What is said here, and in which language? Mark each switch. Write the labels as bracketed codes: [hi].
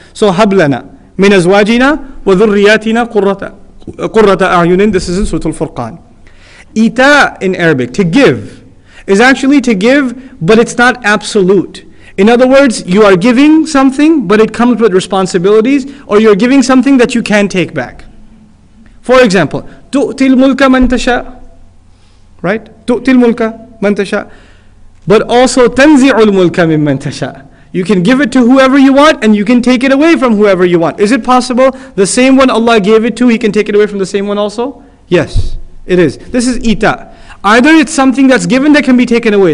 [ar] So hablana min azwajina wa dhurriyatina qurrata a'yunin. [en] This is in Surah Al-Furqan. Ita in Arabic, to give, is actually to give, but it's not absolute. In other words, you are giving something, but it comes with responsibilities, or you're giving something that you can take back. For example, [ar] تُؤْتِ الْمُلْكَ مَنْ تَشَاءُ [en] Right? [ar] تُؤْتِ الْمُلْكَ مَنْ تَشَاءُ [en] But also, [ar] تَنْزِعُ الْمُلْكَ مِمَّنْ تَشَاءُ [en] You can give it to whoever you want, and you can take it away from whoever you want. Is it possible the same one Allah gave it to, He can take it away from the same one also? Yes, it is. This is إِتَاء. Either it's something that's given that can be taken away.